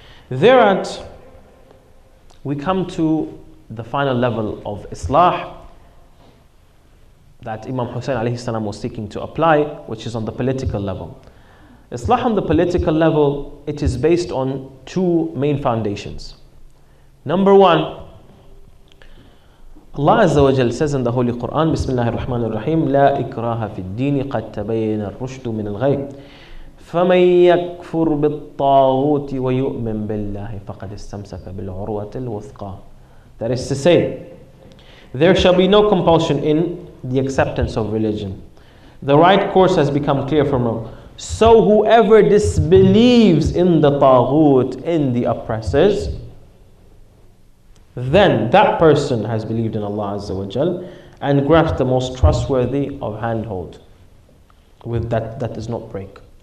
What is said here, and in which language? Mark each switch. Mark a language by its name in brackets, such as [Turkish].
[English] Thereat, we come to the final level of islah. that Imam Hussein alayhi salam was seeking to apply, which is on the political level. Islah on the political level, it is based on two main foundations. Number one, Allah Azza wa Jal says in the Holy Quran, [Arabic] Bismillah ar-Rahman ar-Rahim, لا إكراه في الدين قد تبين الرشد من الغي فمن يكفر بالطاغوت ويؤمن بالله فقد استمسك بالعروة الوثقى. [English] That is to say, there shall be no compulsion in the acceptance of religion. The right course has become clear from Allah. So whoever disbelieves in the taghut, in the oppressors, then that person has believed in Allah Azza wa Jal and grasped the most trustworthy of handhold with that does not break.